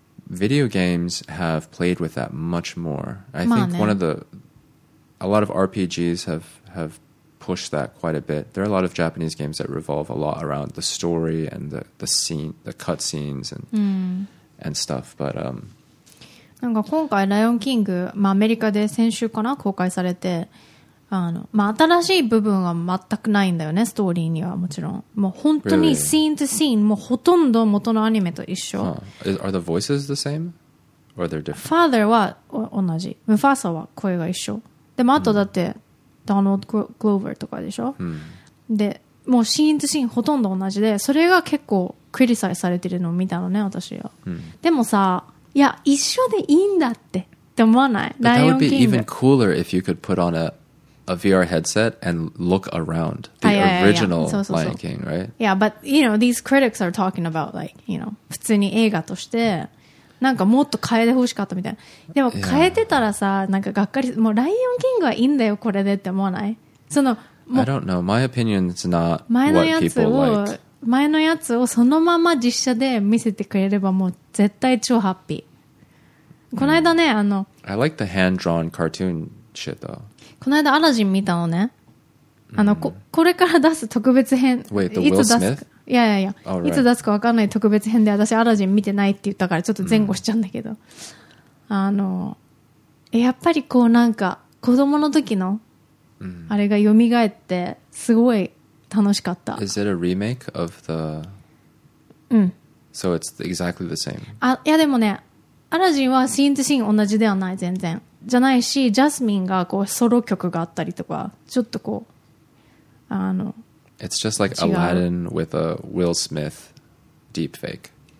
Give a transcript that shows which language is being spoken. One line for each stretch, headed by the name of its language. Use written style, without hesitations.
English: Video games have played with that much more. I think one of the, a lot of RPGs have pushed that quite a bit. There are a lot of Japanese games that revolve a lot around the story and the scene, the cutscenes and stuff. But,
Japanese: なんか今回ライオンキング、まあアメリカで先週かな公開されて、あのまあ新しい部分は全くないんだよね、ストーリーにはもちろん。もう本当にシーンとシーン、もうほとんど元のアニメと一緒。
English: Are the voices the same? Or are they different?
Japanese: Father は同じ。ムファーサは声が一緒。でもあとだって、ドナルド・グローバーとかでしょ、で、もうシーンとシーンほとんど同じで、それが結構クリティサイズされてるのを見たのね、私は。でもさ、いや、一緒でいいんだってって思わない。
English: But that would be even cooler if you could put on a VR headset and look around the original Lion King, right? Yeah, but you know, these critics are talking about like, you know,
Japanese: 普通に映画としてなんかもっと変えてほしかったみたいな。でも変えてたらさ、なんかがっかり、もうライオンキングはいいんだよこれでって思わない？その、
English: I don't know. My opinion is not what people like.
Japanese: 前のやつをそのまま実写で見せてくれればもう絶対超ハッピー。この間ね、あの、
English: I like the hand-drawn cartoon shit though.
Japanese: この間アラジン見たのね。あの、これから出す特別編。
English: Wait, the Will Smith?
Japanese: いや
English: 。 Oh, right.
Japanese: いつ出すか分かんない特別編で、私アラジン見てないって言ったから、ちょっと前後しちゃうんだけど。あの、やっぱりこうなんか、子供の時の、あれが蘇って、すごい楽しかった。
English: Is it a remake of the...
Japanese: うん。
English: So it's exactly the same.
Japanese: あ、いやでもね、アラジンはシーンとシーン同じではない、全然。じゃないし、ジャスミンがこうソロ曲があったりとか、ちょっとこう、あの、
English: It's just like Aladdin with a Will Smith deepfake.